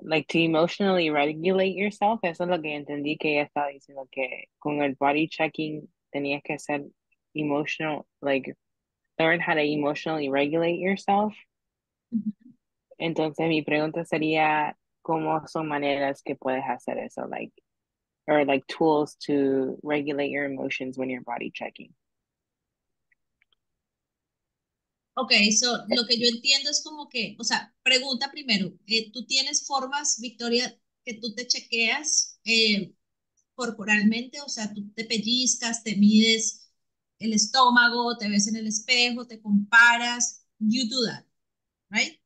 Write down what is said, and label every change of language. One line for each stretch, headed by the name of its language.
English: like to emotionally regulate yourself,
Spanish: eso es lo que entendí que ella estaba diciendo, que con el
English: body checking
Spanish: tenías que ser
English: emotional, like learn how to emotionally regulate yourself.
Spanish: Entonces, mi pregunta sería, ¿cómo son maneras que puedes hacer eso?
English: Like, or like tools to regulate your emotions when you're body checking. Ok, so
Spanish: lo que yo entiendo es como que, o sea, pregunta primero, ¿tú tienes formas, Victoria, que tú te chequeas corporalmente? O sea, tú te pellizcas, te mides el estómago, te ves en el espejo, te comparas,
English: you do that, right?